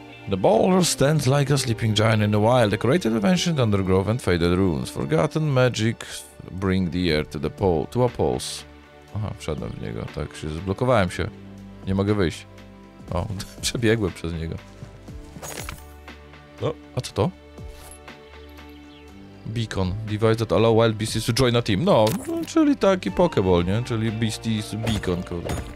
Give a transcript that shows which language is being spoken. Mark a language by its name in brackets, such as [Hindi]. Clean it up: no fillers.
[English] The boulder stands like a sleeping giant in the wild, decorated with ancient undergrowth and faded runes. Forgotten magic bring the air to the pole, to a pulse. [Polish] Aha, wszedłem w niego, tak się zblokowałem się. Nie mogę wyjść. O, przebiegłem przez niego. No, a co to? [English] Beacon, device that allow wild beasties to join a team. [Polish] No, czyli taki Pokeball, nie? Czyli beasties beacon, kurde.